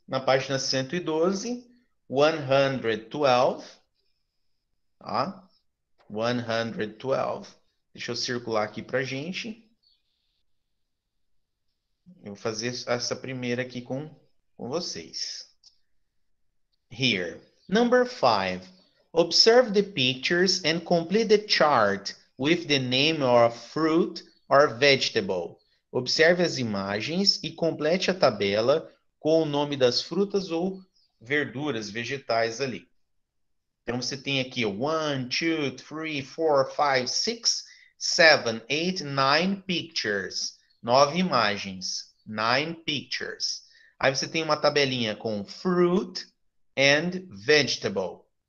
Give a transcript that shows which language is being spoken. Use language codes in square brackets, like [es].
[pt] Na página 112. 112. Tá? 112. Deixa eu circular aqui pra gente. Eu vou fazer essa primeira aqui com vocês. [en] Here. Number 5. Observe the pictures and complete the chart with the name of fruit or vegetable. [pt] Observe as imagens e complete a tabela com o nome das frutas ou verduras, vegetais ali. Então, você tem aqui 1, 2, 3, 4, 5, 6, 7, 8, 9 pictures. 9 imagens. 9 pictures. Aí você tem uma tabelinha com fruit and vegetable.